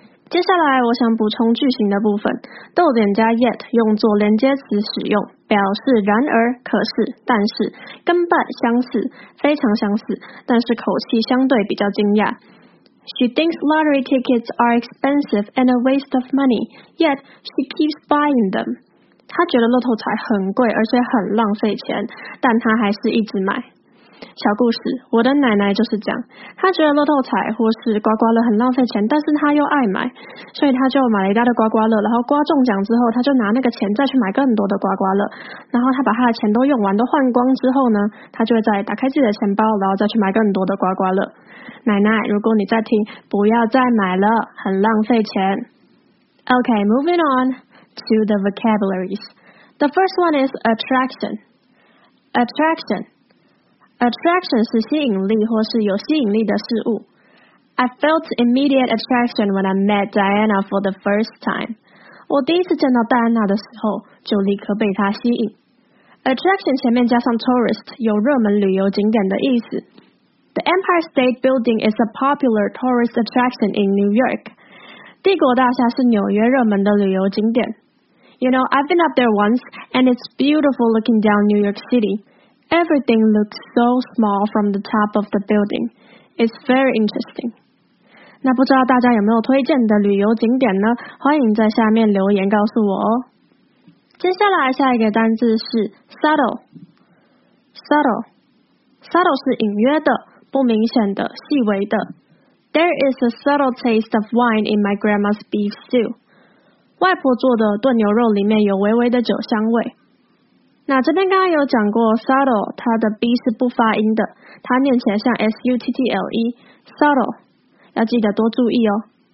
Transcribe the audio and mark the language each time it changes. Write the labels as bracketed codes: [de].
[zh] 接下来我想补充句型的部分，逗点加 yet 用作连接词使用，表示然而、可是、但是，根本相似，非常相似，但是口气相对比较惊讶。 [en] She thinks lottery tickets are expensive and a waste of money, yet she keeps buying them。 [zh] 她觉得乐透彩很贵而且很浪费钱，但她还是一直买。小故事，我的奶奶就是这样，她觉得乐透彩或是刮刮乐很浪费钱，但是她又爱买，所以她就买了一大堆刮刮乐，然后刮中奖之后，她就拿那个钱再去买更多的刮刮乐，然后她把她的钱都用完，都换光之后呢，她就会再打开自己的钱包，然后再去买更多的刮刮乐。奶奶，如果你在听，不要再买了，很浪费钱。 [en] OK, moving on to the vocabularies. The first one is attraction. [zh] Attraction 是吸引力或是有吸引力的事物。 [en] I felt immediate attraction when I met Diana for the first time. [zh] 我第一次见到戴安娜的时候就立刻被她吸引。 Attraction 前面加上 tourist 有热门旅游景点的意思。 [en] The Empire State Building is a popular tourist attraction in New York. [zh] 帝国大厦是纽约热门的旅游景点。 [en] You know, I've been up there once and it's beautiful looking down New York City. Everything looks so small from the top of the building. It's very interesting. [zh] 那不知道大家有没有推荐的旅游景点呢？欢迎在下面留言告诉我哦。接下来下一个单字是 subtle 是隐约的、不明显的、细微的。 [en] There is a subtle taste of wine in my grandma's beef stew. [zh] 外婆做的炖牛肉里面有微微的酒香味。那这边刚刚有讲过 subtle 它的 b 是不发音的，它念起来像 s-u-t-t-l-e subtle， 要记得多注意哦。